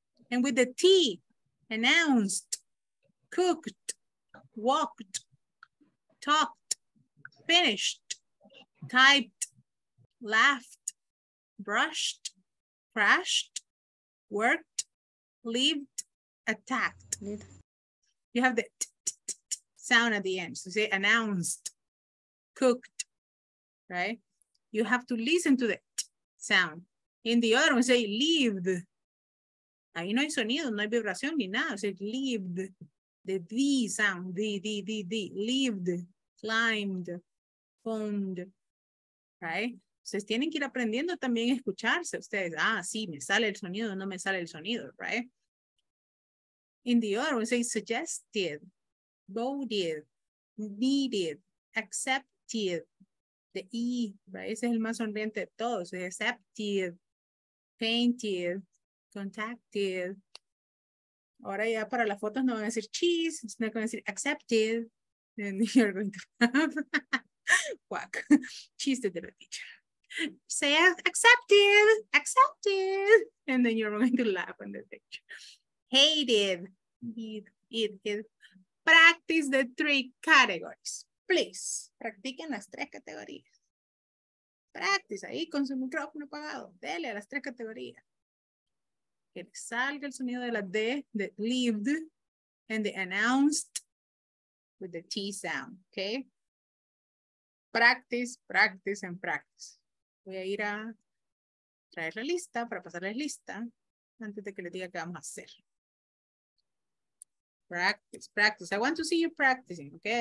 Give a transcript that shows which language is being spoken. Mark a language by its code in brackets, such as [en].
[en] And with the T, announced, cooked, walked, talked, finished, typed, laughed, brushed, crashed, worked, lived, attacked. You have the t sound at the end. So say announced, cooked, right? You have to listen to the t sound. In the other one, say lived. [es] Ahí no hay sonido, no hay vibración ni nada. [en] Say lived, the D sound, D. Lived, climbed, phoned, right? [es] Ustedes tienen que ir aprendiendo también a escucharse ustedes. Ah, sí, me sale el sonido, no me sale el sonido, right? [en] In the other one, say suggested, voted, needed, accepted, the E, right? [es] Ese es el más sonriente de todos, accepted. [en] Painted, contacted. [es] Ahora ya para las fotos no van a decir cheese, [en] it's not going to say accepted. Then you're going to have quack. Cheese to the teacher. Say accepted, accepted. And then you're going to laugh on the picture. Hated, it. Practice the three categories. [es] Please, practiquen las tres categorías. Practice ahí con su micrófono apagado. Dele a las tres categorías. Que le salga el sonido de la D, [en] the lived, and the announced with the T sound, okay? Practice, practice, and practice. [es] Voy a ir a traer la lista para pasarles lista antes de que le diga qué vamos a hacer. [en] practice, practice. I want to see you practicing, okay?